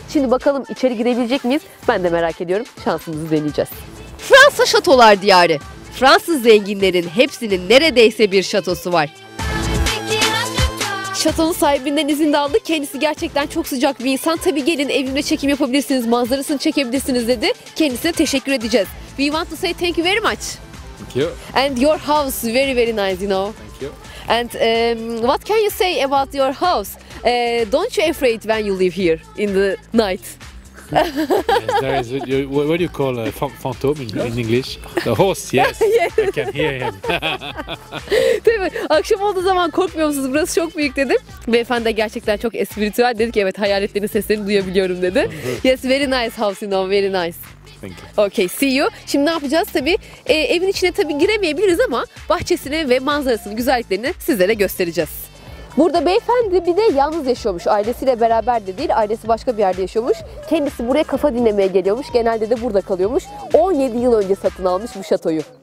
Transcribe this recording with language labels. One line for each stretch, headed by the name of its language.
Turkish: Şimdi bakalım içeri girebilecek miyiz? Ben de merak ediyorum. Şansımızı deneyeceğiz. Fransa şatolar diyarı. Fransız zenginlerin hepsinin neredeyse bir şatosu var. Şatonun sahibinden izin de aldı. Kendisi gerçekten çok sıcak bir insan. Tabii gelin evimde çekim yapabilirsiniz, manzarasını çekebilirsiniz dedi. Kendisine teşekkür edeceğiz.
English: We want to say thank you very much. Thank you. And your house is very very nice, you know. Thank you. And what can you say about your house? Don't you afraid when you live here in the night? Yes, there is. What do you call a phantom in English? The horse, yes. Yes. I can hear him.
Turkish: Tabii, akşam olduğu zaman korkmuyor musunuz? Burası çok büyük dedim. Beyefendi gerçekten çok espiritüel. Dedi ki evet, hayaletlerin seslerini duyabiliyorum dedi.
English: Yes, very nice house, you know, very nice. Thank you. Okay, see you.
Turkish: Şimdi ne yapacağız? Tabii evin içine tabii giremeyebiliriz ama bahçesini ve manzarasını, güzelliklerini sizlere göstereceğiz. Burada beyefendi bir de yalnız yaşıyormuş. Ailesiyle beraber de değil, ailesi başka bir yerde yaşıyormuş. Kendisi buraya kafa dinlemeye geliyormuş. Genelde de burada kalıyormuş. 17 yıl önce satın almış bu şatoyu.